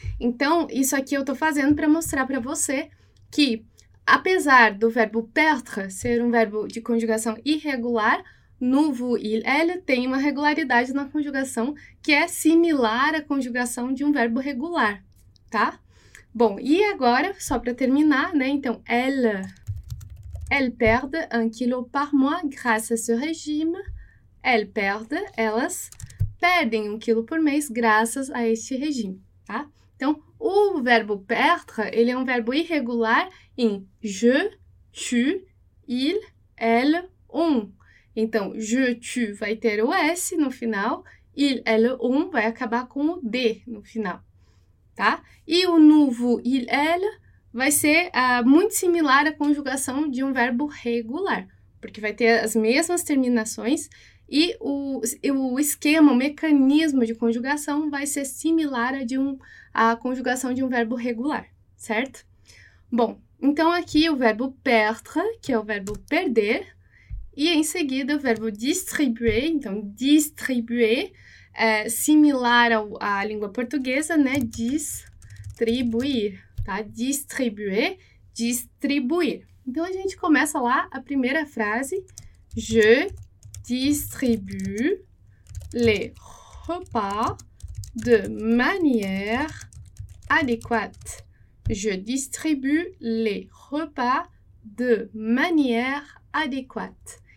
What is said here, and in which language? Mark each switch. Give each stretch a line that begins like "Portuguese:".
Portuguese: Então, isso aqui eu estou fazendo para mostrar para você que, apesar do verbo perdre ser um verbo de conjugação irregular, no VU e ELLE tem uma regularidade na conjugação que é similar à conjugação de um verbo regular, tá? Bom, e agora, só para terminar, né?
French: Então, elle perd un kilo par mois grâce à ce régime. Elle perd,
Portuguese: elas perdem um quilo por mês graças a este regime, tá? Então, o verbo perdre, ele é um verbo irregular em je, tu, il, elle, on. Então, je, tu vai ter o S no final, il, elle, on vai acabar com o D no final. Tá? E o novo il, elle vai ser muito similar à conjugação de um verbo regular, porque vai ter as mesmas terminações e o esquema, o mecanismo de conjugação vai ser similar à conjugação de um verbo regular, certo? Bom, então aqui o verbo perdre, que é o verbo perder, e em seguida o verbo distribuer, então distribuer, é similar à língua portuguesa, né? Distribuir, tá? Distribuer, distribuir. Então, a gente começa lá a primeira frase.
French: Je distribue les repas de manière adéquate. Je distribue les repas de manière adéquate.